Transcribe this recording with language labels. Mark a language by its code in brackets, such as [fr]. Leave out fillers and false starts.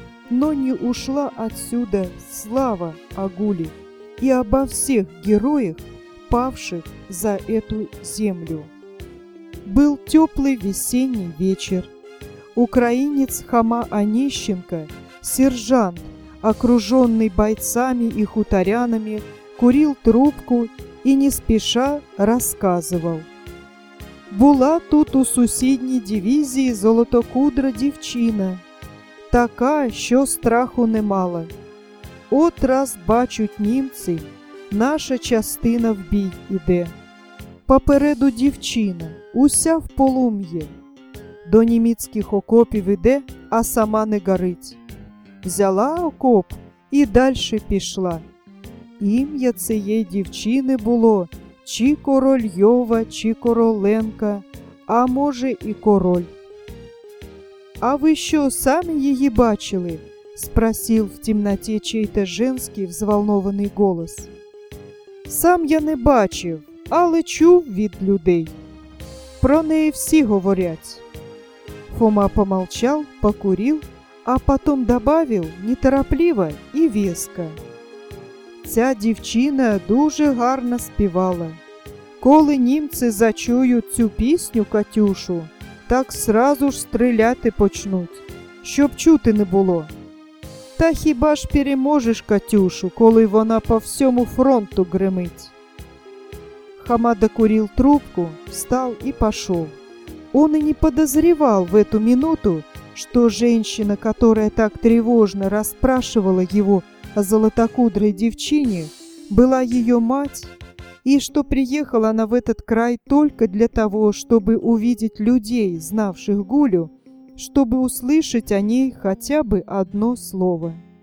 [ru] Но не ушла отсюда слава о Гуле и обо всех героях, павших за эту землю. Был теплый весенний вечер. Украинец Хома Онищенко, сержант, окруженный бойцами и хуторянами, курил трубку и не спеша рассказывал. [uk] «Була тут у сусидней дивизии золотокудра девчина, така, що страху немало. От раз бачуть німці, наша частина в бій іде. Попереду дівчина, уся в полум'ї. До німецьких окопів іде, а сама не горить. Взяла окоп і дальше пішла. Ім'я цієї дівчини було чи Корольова, чи Короленка, а може і Король. А ви що, самі її бачили?» – спросив в темноті чей-то женський взволнований голос. «Сам я не бачив, але чув від людей. Про неї всі говорять». [ru] Хома помолчал, покурил, а потом добавил неторопливо и веско. [uk] «Ця девчина дуже гарно співала. Коли німці зачують цю пісню, Катюшу, так сразу ж стріляти почнуть, щоб чути не було. Та хіба ж переможеш, Катюшу, коли вона по всьому фронту гремить?» [ru] Хома докурил трубку, встал и пошел. Он и не подозревал в эту минуту, что женщина, которая так тревожно расспрашивала его о золотокудрой девчине, была ее мать, и что приехала она в этот край только для того, чтобы увидеть людей, знавших Гулю, чтобы услышать о ней хотя бы одно слово.